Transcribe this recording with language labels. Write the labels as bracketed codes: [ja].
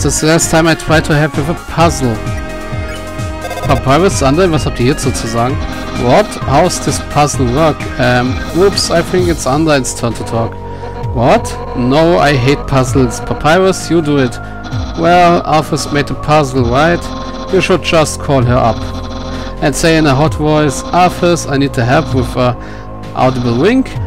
[en] This is the last time I try to help with a puzzle. [de] Papyrus, Andre, was habt ihr hierzu zu sagen? [en] What? How's this puzzle work? Oops, I think it's Andre's turn to talk. What? No, I hate puzzles. Papyrus, you do it. Well, Alphys made a puzzle, right? You should just call her up. And say in a hot voice, Alphys, I need to help with a audible wink.